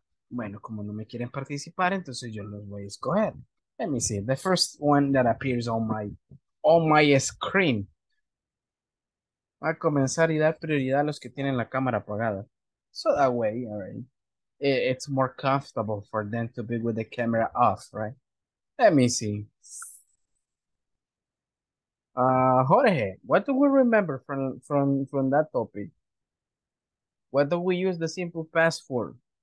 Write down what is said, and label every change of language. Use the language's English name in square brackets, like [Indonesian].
[Spanish] Bueno, como no me quieren participar, entonces yo los voy a escoger. [English] Let me see. The first one that appears on my screen. [Spanish] Va a comenzar y dar prioridad a los que tienen la cámara apagada. [English] So that way, all right. It's more comfortable for them to be with the camera off, right? Let me see. Jorge, what do we remember from that topic? What do we use the simple past for?